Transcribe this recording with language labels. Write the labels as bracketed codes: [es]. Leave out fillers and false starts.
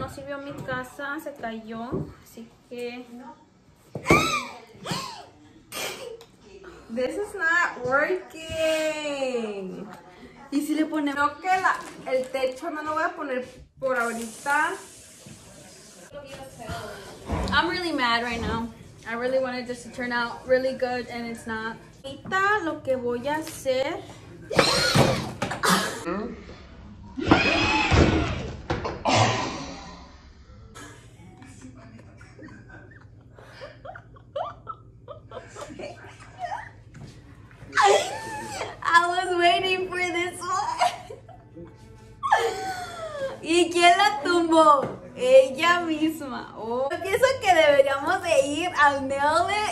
[es] No sirvió mi casa, se cayó. Así que. [en] This is not working. [es] ¿Y si le ponemos? Creo que el techo no lo voy a poner por ahorita. [en] I'm really mad right now. I really wanted this to turn out really good and it's not. [es] Ahorita lo que voy a hacer. [en] I was waiting for this one. [es] ¿Y quién la tumbó? Ella misma. Oh. Yo pienso que deberíamos de ir al nail.